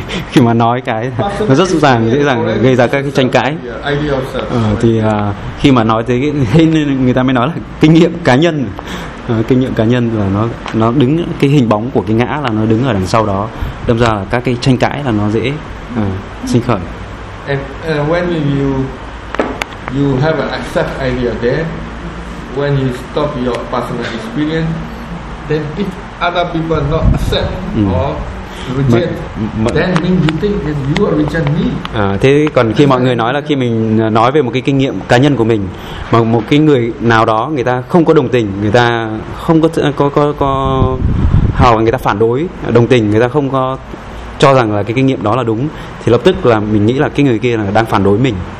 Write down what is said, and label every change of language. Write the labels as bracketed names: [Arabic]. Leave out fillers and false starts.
[Vietnamese] Khi mà nói cái nó rất dễ dàng gây ra các cái tranh cãi. Thì khi mà nói tới cái, người ta mới nói là kinh nghiệm cá nhân. Kinh nghiệm cá nhân là nó đứng cái hình bóng của cái ngã là nó đứng ở đằng sau đó. Đâm ra là các cái tranh cãi là nó dễ sinh khởi. [English] When you have an accept idea there, when you stop your personal experience, then if other people not accept or reject, then mean you think that you are reject me. [Vietnamese] Thế còn khi mọi người nói là khi mình nói về một cái kinh nghiệm cá nhân của mình mà một cái người nào đó người ta không có đồng tình, người ta không có hào, người ta phản đối đồng tình, người ta không có cho rằng là cái kinh nghiệm đó là đúng, thì lập tức là mình nghĩ là cái người kia là đang phản đối mình.